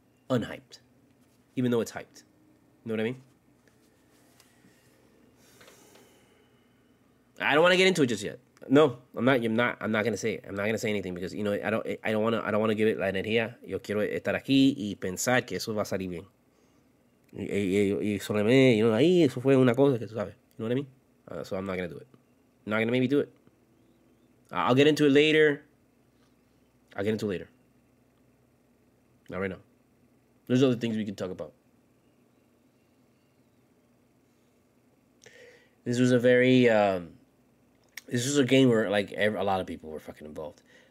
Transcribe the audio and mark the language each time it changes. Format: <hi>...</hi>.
<en>Unhyped. Even though it's hyped. You know what I mean? I don't want to get into it just yet. No, I'm not going to say it. I'm not going to say anything because, you know, I don't want to give it</en> <es>la energía. Yo quiero estar aquí y pensar que eso va a salir bien. Y solamente,</es> <en>you know,</en> <es>ahí eso fue una cosa que tú sabes.</es> <en>You know what I mean? So I'm not going to do it. I'm not going to maybe do it. I'll get into it later. I'll get into it later. Not right now. There's other things we could talk about. This was a very, this was a game where, like, a lot of people were fucking involved.</en>